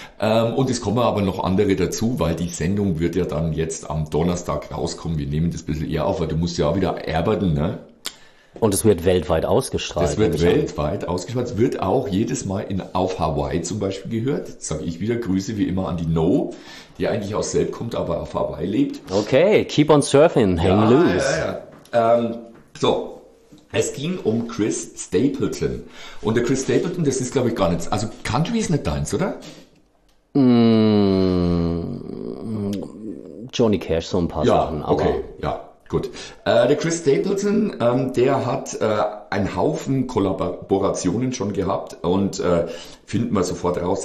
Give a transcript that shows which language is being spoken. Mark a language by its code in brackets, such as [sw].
[de] Und es kommen aber noch andere dazu, weil die Sendung wird ja dann jetzt am Donnerstag rauskommen. Wir nehmen das ein bisschen eher auf, weil du musst ja auch wieder erben, ne? Und es wird weltweit ausgestrahlt. Es wird weltweit ausgestrahlt. Es wird auch jedes Mal auf Hawaii zum Beispiel gehört. Jetzt sage ich wieder Grüße wie immer an die No, die eigentlich aus Selb kommt, aber auf Hawaii lebt. [en] Okay, keep on surfing, hang loose. [de] Ja, ja. So, es ging um Chris Stapleton. Und der Chris Stapleton, das ist glaube ich gar nichts. Also Country ist nicht deins, oder? Johnny Cash, so ein paar Sachen. Ja, okay, aber. Ja. Gut. Der Chris Stapleton, der hat einen Haufen Kollaborationen schon gehabt und finden wir sofort raus.